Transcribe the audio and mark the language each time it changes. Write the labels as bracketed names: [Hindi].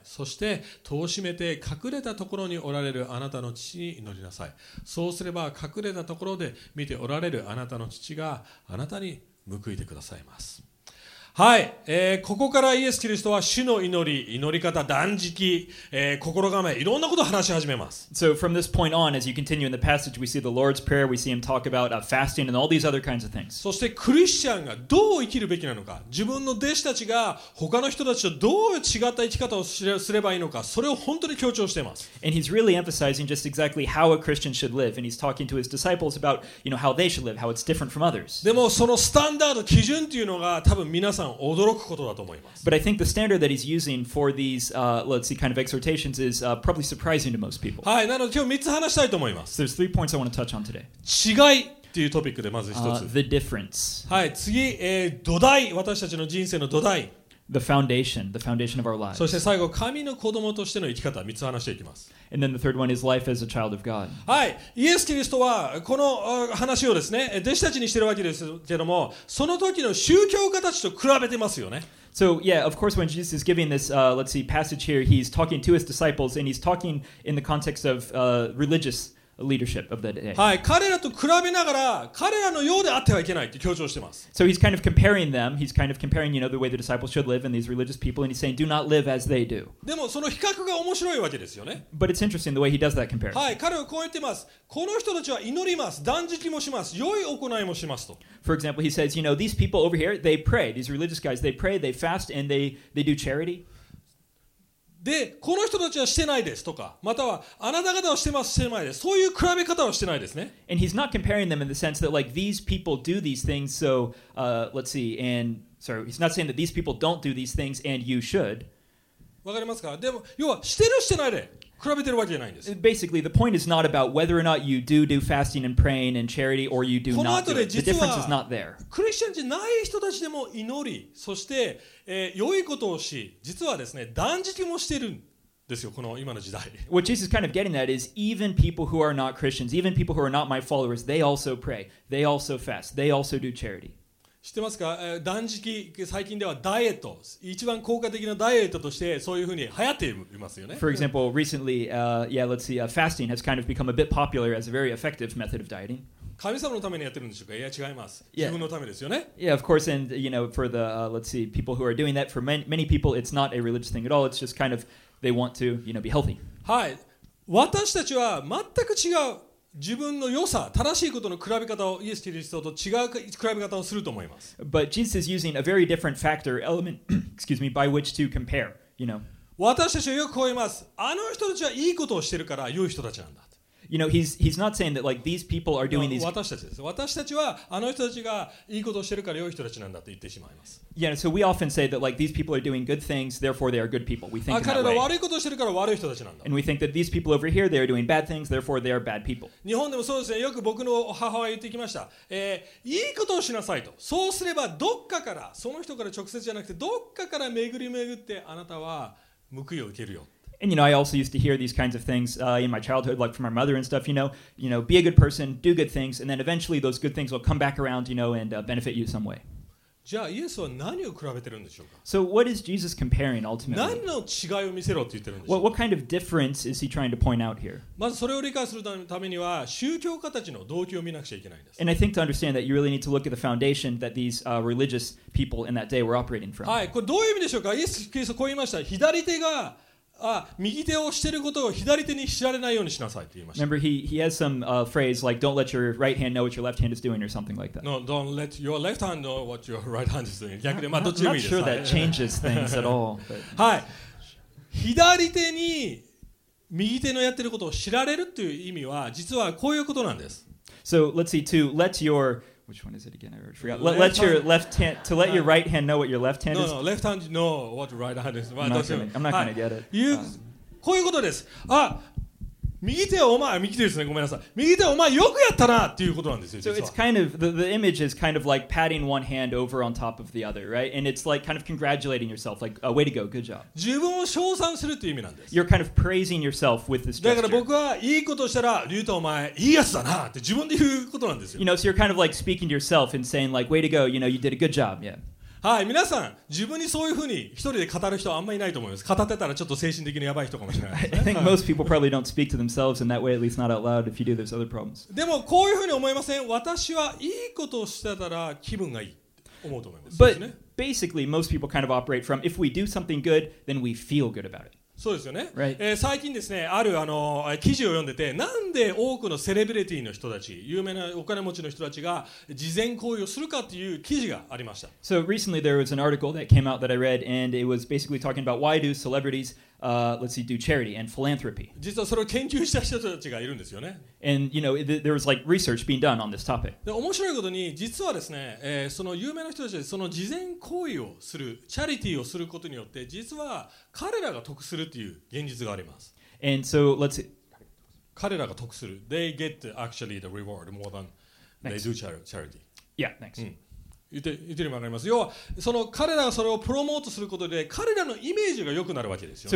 [Japanese] そして戸を閉めて隠れたところにおられるあなたの父に祈りなさい。そうすれば隠れたところで見ておられるあなたの父があなたに報いてくださいます。はい、ここからイエス・キリストは主の祈り、祈り方、断食、心構え、いろんなことを話し始めます。 [English] So from this point on, as you continue in the passage, we see the Lord's Prayer, we see him talk about fasting and all these other kinds of things. [Japanese] そしてクリスチャンがどう生きるべきなのか、自分の弟子たちが他の人たちとどう違った生き方をすればいいのか、それを本当に強調しています。 [English] And he's really emphasizing just exactly how a Christian should live, and he's talking to his disciples about, you know, how they should live, how it's different from others. [Japanese] でもそのスタンダード、基準というのが多分皆さん驚くことだと思います。 [English] But I think the standard that he's using for these, let's see, kind of exhortations is, probably surprising to most people. [Japanese] はい、なので今日3つ話したいと思います。 [English] So there's three points I want to touch on today. [Japanese] 違いというトピックでまず1つ。 [English] The difference. [Japanese] はい、次、土台、私たちの人生の土台。 [English] The foundation of our lives. [Japanese] そして最後、神の子供としての生き方、3つ話していきます。 [English] And then the third one is life as a child of God. [Japanese] はい、イエス・キリストはこの話をですね、弟子たちにしているわけですけども、その時の宗教家たちと比べてますよね。 [English] So yeah, of course, when Jesus is giving this, let's see, passage here, he's talking to his disciples, and he's talking in the context of, religious leadership of that day. [Japanese] はい、彼らと比べながら彼らのようであってはいけないって強調してます。 [English] So he's kind of comparing them. He's kind of comparing, you know, the way the disciples should live and these religious people, and he's saying, do not live as they do. [Japanese] でもその比較が面白いわけですよね。 [English] But it's interesting the way he does that comparison. [Japanese] はい、彼はこう言ってます。この人たちは祈ります、断食もします、良い行いもしますと。 [English] For example, he says, you know, these people over here, they pray. These religious guys, they pray, they fast, and they do charity. [Japanese] で、この人たちはしてないですとか、またはあなた方はしてます、してないです、そういう比べ方はしてないですね。 [English] And he's not comparing them in the sense that like these people do these things, so, let's see, and sorry, he's not saying that these people don't do these things and you should. [Japanese] わかりますか？でも、要はしてる、してないで比べてるわけじゃないんです。 [English] Basically, the point is not about whether or not you do fasting and praying and charity or you do not do it. The difference is not there. [Japanese] クリスチャンじゃない人たちでも祈り、そして、良いことをし、実はですね、断食もしてるんですよ、この今の時代。 [English] What Jesus is kind of getting at is even people who are not Christians, even people who are not my followers, they also pray, they also fast, they also do charity. [Japanese] 知ってますか、断食、最近ではダイエット、一番効果的なダイエットとしてそういうふうに流行っていますよね。 [English] For example, recently, yeah, let's see, fasting has kind of become a bit popular as a very effective method of dieting. [Japanese] 神様のためにやってるんでしょうか？いや、違います。 Yeah. 自分のためですよね。 [English] Yeah, of course, and you know, for the, let's see, people who are doing that, for many, many people, it's not a religious thing at all. It's just kind of, they want to, you know, be healthy. [Japanese] はい。私たちは全く違う。自分の良さ、正しいことの比べ方をイエス・キリストと違う比べ方をすると思います。 [English] But Jesus is using a very different factor, element, excuse me, by which to compare, you know. [Japanese] 私たちはよく言います。あの人たちはいいことをしているから良い人たちなんだ。 [English] You know, he's not saying that like these people are doing these. [Japanese] 私たちです。私たちはあの人たちがいいことをしているから良い人たちなんだと言ってしまいます。 [English] Yeah, so we often say that like these people are doing good things, therefore they are good people. We think that way. [Japanese] 彼らは悪いことをしているから悪い人たちなんだ。 [English] And we think that these people over here, they are doing bad things, therefore they are bad people. [Japanese] 日本でもそうですね。よく僕の母は言ってきました。いいことをしなさいと。そうすればどっかからその人から直接じゃなくてどっかから巡り巡ってあなたは報いを受けるよ。 [English] And you know, I also used to hear these kinds of things in my childhood, like from my mother and stuff. You know, be a good person, do good things, and then eventually those good things will come back around, you know, and benefit you some way. [Japanese] じゃあ、イエスは何を比べてるんでしょうか? [English] So what is Jesus comparing ultimately? [Japanese] 何の違いを見せろって言ってるんでしょ [English] う?What kind of difference is he trying to point out here? [Japanese] まずそれを理解するためには、宗教家たちの動機を見なくちゃいけないんです。 [English] And I think to understand that you really need to look at the foundation that these religious people in that day were operating from. [Japanese] はい、これどういう意味でしょうか?イエス・キリストこう言いました。左手が右手をしていることを左手に知られないようにしなさいと言いました。 [English] Remember, he has some phrase like, don't let your right hand know what your left hand is doing or something like that. No, don't let your left hand know what your right hand is doing. [Japanese] 逆で、まあ、どっちでもいいです。 [English] I'm not sure that changes things at all. [Japanese] はい。左手に右手のやっていることを知られるという意味は、実はこういうことなんです。 [English] So, let's see, to let your... Which one is it again? I already forgot. Let your left hand, to let your right hand know what your left hand no, is. No, no, left hand know what right hand is. I'm not going to get it. [Japanese] こういうことです。あ、右手お前、右手ですね、ごめんなさい。右手お前、よくやったなっていうことなんですよ、実は。 [English] So it's kind of, the image is kind of like patting one hand over on top of the other, right? And it's like kind of congratulating yourself, like, oh, way to go, good job. [Japanese] 自分を称賛するっていう意味なんです。 [English] You're kind of praising yourself with this gesture. [Japanese] だから僕はいいことしたら、リュウタお前、いいやつだなって自分で言うことなんですよ。 You know, so you're kind of like speaking to yourself and saying like, way to go, you know, you did a good job, yeah. はい、皆さん、自分にそういうふうに一人で語る人はあんまりいないと思います。語ってたらちょっと精神的にやばい人かもしれないですね。 [English] I think most people probably don't speak to themselves in that way, at least not out loud, if you do there's other problems. [Japanese] でも、こういうふうに思いません。私はいいことをしてたら気分がいい。思うと思います。 [English] But basically, most people kind of operate from, if we do something good, then we feel good about it. [Japanese] そうですよね。 [English] Right. [Japanese] 最近ですね、ある記事を読んでて、なんで多くのセレブリティの人たち、有名なお金持ちの人たちが慈善行為をするかっていう記事がありました。 [English] So recently there was an article that came out that I read, and it was basically talking about why do celebritieslet's see, do charity and philanthropy. [Japanese] 実はそれを研究した人たちがいるんですよね。 [English] And, you know, there was like research being done on this topic. [Japanese] で、面白いことに、実はですね、その有名な人たちで、その慈善行為をする、チャリティーをすることによって、実は彼らが得するっていう現実があります。 [English] And so, let's see. [Japanese] 彼らが得する。 [English] They get actually the reward more than they do charity. Yeah, thanks.、 [Japanese] うん言ってるものがあります。要はその彼らがそれをプロモートすることで彼らのイメージが良くなるわけですよね。